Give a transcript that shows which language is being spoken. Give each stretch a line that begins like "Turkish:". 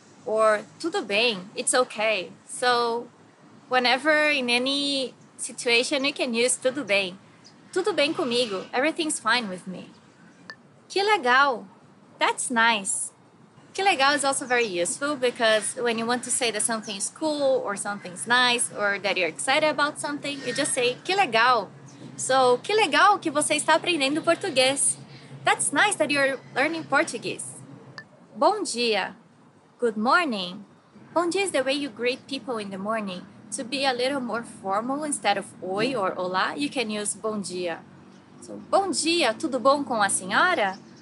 English: Or tudo bem? It's okay. So, whenever in any situation, you can use tudo bem.
Portuguese: Tudo bem comigo.
English: Everything's fine with me.
Portuguese: Que legal!
English: That's nice. Que legal is also very useful because when you want to say that something is cool or something's nice or that you're excited about something, you just say que legal.
Portuguese: So, que legal que você está aprendendo português.
English: That's nice that you're learning Portuguese.
Portuguese: Bom dia.
English: Good morning. Bom dia is the way you greet people in the morning. To be a little more formal, instead of oi or olá, you can use bom dia.
Portuguese: So, bom dia, tudo bom com a senhora?